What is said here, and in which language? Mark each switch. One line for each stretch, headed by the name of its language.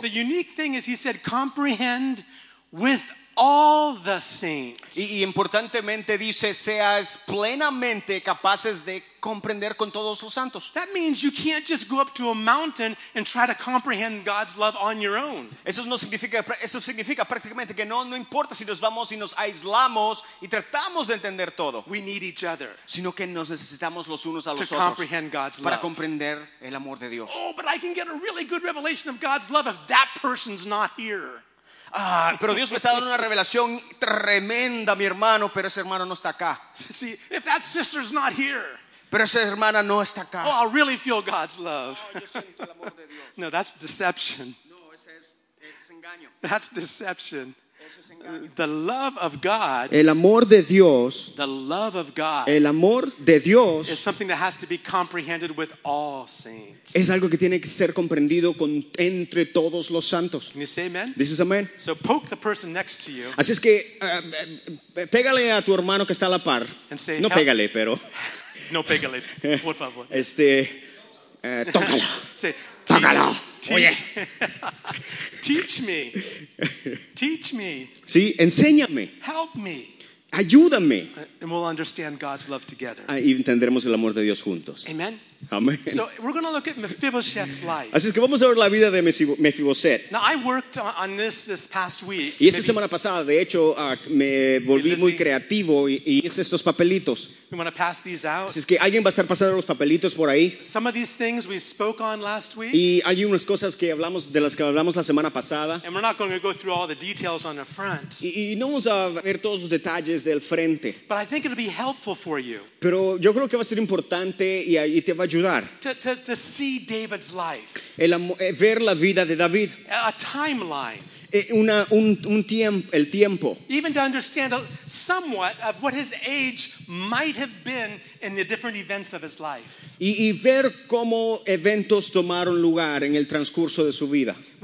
English: The unique thing is he said, comprehend with all the saints.
Spanish: Y importantemente dice, seas plenamente capaces de comprender con todos los santos.
English: That means you can't just go up to a mountain and try to comprehend God's love on your own.
Spanish: Eso significa prácticamente que no importa si nos vamos y nos aislamos y tratamos de entender todo.
English: We need each other.
Spanish: Sino que nos necesitamos los unos a los otros.
English: To comprehend God's love.
Spanish: Para comprender el amor de Dios.
English: Oh, but I can get a really good revelation of God's love if that person's not here.
Spanish: Ah, pero Dios me está dando una revelación tremenda, mi hermano, pero ese hermano no está acá.
English: See, if that sister's not here.
Spanish: Pero esa hermana no está acá.
English: Oh, I really feel God's love.
Spanish: No,
English: that's deception.
Spanish: No, ese es engaño.
English: That's deception.
Spanish: Eso es engaño.
English: The love of God.
Spanish: El amor de Dios.
English: The love of God.
Spanish: El amor de Dios.
English: Is something that has to be comprehended with all saints.
Spanish: Es algo que tiene que ser comprendido con entre todos los santos.
English: Can you say amen? This is amen. So poke the person next to you.
Spanish: Así es que pégale a tu hermano que está a la par.
English: And say,
Spanish: no pégale, pero. No, pégale, por favor. Tócalo.
English: Say,
Spanish: tócalo. Oye.
English: Teach me. Teach me.
Spanish: Sí, enséñame.
English: Help me.
Spanish: Ayúdame.
English: And we'll understand God's love together.
Spanish: Y entenderemos el amor de Dios juntos.
English: Amen.
Spanish: Amen.
English: So we're going to look at Mephibosheth's life.
Spanish: Así es que vamos a ver la vida de Mephibosheth.
English: Now I worked on this past week.
Spanish: Y esta semana pasada, de hecho, me volví muy creativo y hice estos papelitos.
English: We want to pass these out.
Spanish: Así es que alguien va a estar pasando los papelitos por ahí.
English: Some of these things we spoke on last week.
Spanish: Y hay unas cosas que hablamos de las que hablamos la semana pasada.
English: And we're not going to go through all the details on the front.
Spanish: Y no vamos a ver todos los detalles del frente.
English: But I think it'll be helpful for you.
Spanish: Pero yo creo que va a ser importante y te va ayudar.
English: To see David's life.
Spanish: Ver la vida de David.
English: A timeline.
Spanish: El tiempo.
English: Even to understand somewhat of what his age might have been in the different events of his life.
Spanish: Y ver cómo eventos tomaron lugar en el transcurso de su vida.